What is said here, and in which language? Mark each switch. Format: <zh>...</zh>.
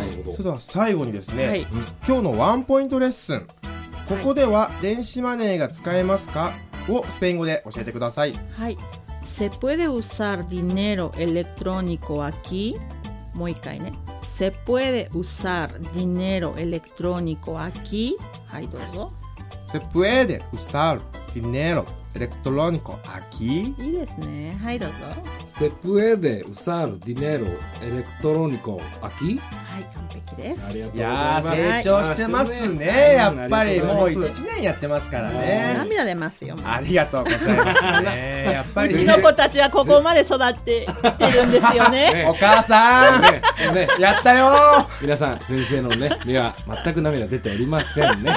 <ja>それでは最後にですね、はい、今日のワンポイントレッスン、ここでは電子マネーが使えますか、はい、をスペイン語で教えてください。</ja> <es>はい、Se puede usar dinero electrónico aquí?</es> <ja>もう一回ね、</ja> <es>Se puede usar dinero electrónico aquí?</es> <ja>はい、どうぞ。</ja> <es>Se puede usar dinero electrónico aquí?</es> <ja>いいですね、はい、どうぞ。</ja> <es>Se puede usar dinero electrónico aquí?</es> <ja>はい、完璧です。ありがとうございます。いや、成長してますね、やっぱり、もう1年やってますからね。涙出ますよ。ありがとうございますね、やっぱり、うちの子たちはここまで育っているんですよね。お母さん、ね、やったよ。皆さん、先生の、ね、目は全く涙出ておりませんね。</ja>